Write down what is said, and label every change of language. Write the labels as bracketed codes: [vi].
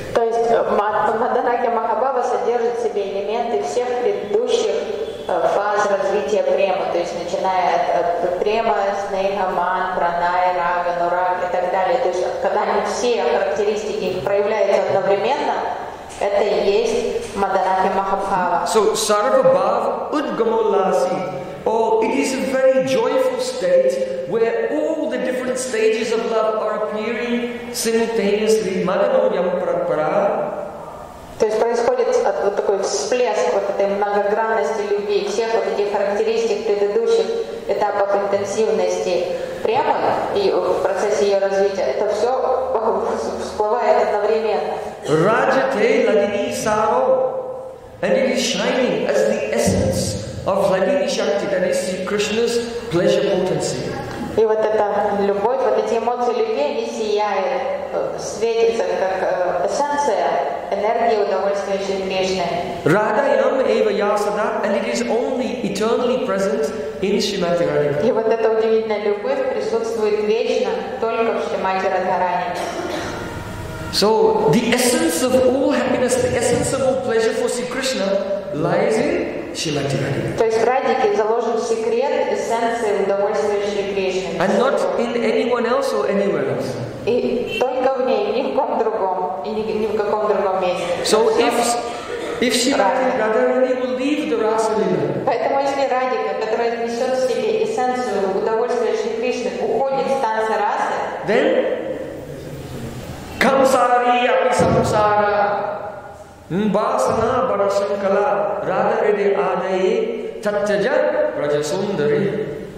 [ru] То есть Madanaki Mahabhava содержит в себе элементы всех предыдущих фаз развития према, то есть начиная от према, снега, ман, праная, рага, нурага и так далее. То есть когда они все характеристики проявляются одновременно, Это и есть Мадараки Махабхава. [sa] So Sarva Bhav Udgamo Lasi. [en] Oh, it is a very joyful state where all the different stages of love are appearing simultaneously. [sa] Madanoyam Prapara. [ru] То есть происходит вот такой всплеск вот этой многогранности любви, всех вот этих характеристик предыдущих этапов интенсивности прямо и в процессе ее развития. Это все всплывает одновременно. [sa] Rajate Ladini Saro. [en] And it is shining as the essence of Ladini Shakti, that is Krishna's pleasure potency. [ru] И вот эта любовь, вот эти эмоции любви, они сияют, светятся как эссенция энергии удовольствия Кришны. [sa] Radha Yam Eva Yasada, [en] and it is only eternally present in Shrimati Radhika. [ru] И вот эта удивительная любовь присутствует вечно только в Шримати Радхарани. [en] So the essence of all happiness, the essence of all pleasure for Sri Krishna lies in Shrimati Radhika. [ru] То есть в Радике заложен секрет эссенции удовольствия Шри Кришны. [en] And not in anyone else or anywhere else. [ru] И только в ней, ни в ком другом, и ни в каком другом месте. [en] So if Shrimati Radharani will leave the Rasa Lila. [ru] Поэтому если Радика, которая несет в себе эссенцию удовольствия Шри Кришны, уходит с танца Расы, [sa] then Kamsari api samsara Mbasana barasankala Radharede adaye Tattaja rajasundari.